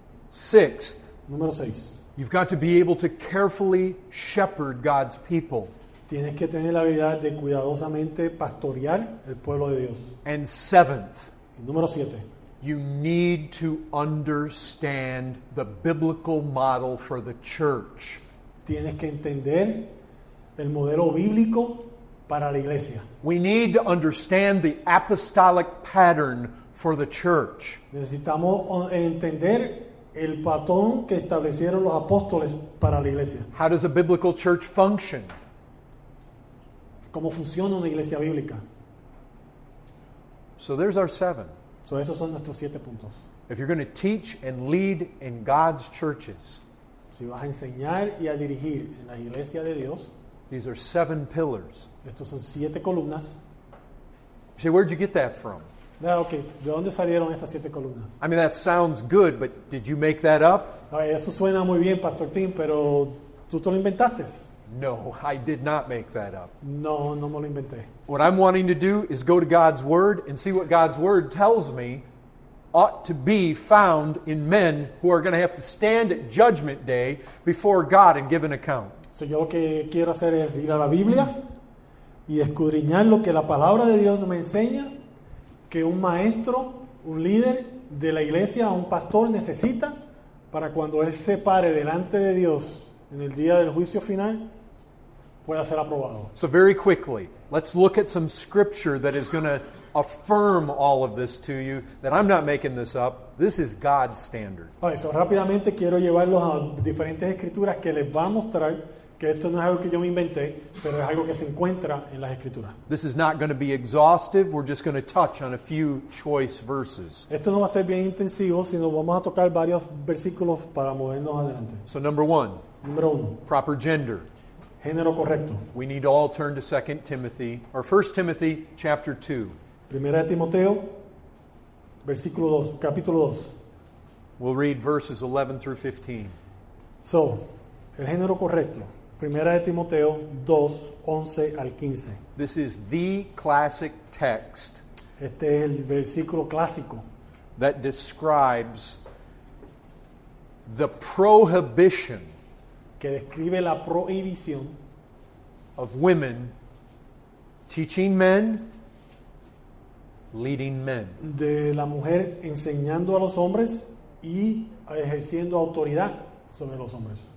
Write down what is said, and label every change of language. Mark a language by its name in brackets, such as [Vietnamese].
[English] Sixth. [Spanish] Número seis. [English] You've got to be able to carefully shepherd God's people. [Spanish] Tienes que tener la habilidad de cuidadosamente pastorear el pueblo de Dios. [English] And seventh. [Spanish] Número siete. [English] You need to understand the biblical model for the church. [Spanish] Tienes que entender el modelo bíblico para la iglesia. [English] We need to understand the apostolic pattern for the church. [Spanish] Necesitamos entender el patrón que establecieron los apóstoles para la iglesia. [English] How does a biblical church function? [Spanish] ¿Cómo funciona una iglesia bíblica? [English] So there's our seven. [Spanish] So esos son nuestros siete puntos. [English] If you're going to teach and lead in God's churches, [Spanish] si vas a enseñar y a dirigir en la iglesia de Dios, [English] these are seven pillars. [Spanish] Estos son siete columnas. [English] You say, where'd you get that from? Now, okay, [Spanish] ¿de dónde salieron esas siete columnas? [English] I mean, that sounds good, but did you make that up? [Spanish] Ay, eso suena muy bien, Pastor Tim, pero ¿tú te lo inventaste? [English] No, I did not make that up. [Spanish] No, no me lo inventé. [English] What I'm wanting to do is go to God's Word and see what God's Word tells me ought to be found in men who are going to have to stand at Judgment Day before God and give an account. [Spanish] So yo lo que quiero hacer es ir a la Biblia y escudriñar lo que la Palabra de Dios me enseña que un maestro, un líder de la iglesia, un pastor necesita para cuando él se pare delante de Dios en el día del juicio final, pueda ser aprobado. [English] So very quickly, let's look at some scripture that is going to affirm all of this to you, that I'm not making this up. This is God's standard. All right, [Spanish] so rápidamente quiero llevarlos a diferentes escrituras que les va a mostrar que esto no es algo que yo me inventé, pero es algo que se encuentra en las escrituras. [English] This is not going to be exhaustive. We're just going to touch on a few choice verses. [Spanish] Esto no va a ser bien intensivo, sino vamos a tocar varios versículos para movernos adelante. [English] So number one. [Spanish] Número uno. [English] Proper gender. [Spanish] Género correcto. [English] We need to all turn to 2 Timothy, or 1 Timothy chapter 2. [Spanish] Primera de Timoteo, versículo 2, capítulo 2. [English] We'll read verses 11 through 15. [Spanish] So, el género correcto. Primera de Timoteo 2, 11 al 15. [English] This is the classic text. [Spanish] Este es el versículo clásico. [English] That describes the prohibition. [Spanish] Que describe la prohibición [English] of women teaching men, leading men. [Spanish] De la mujer enseñando a los hombres y ejerciendo autoridad sobre los hombres.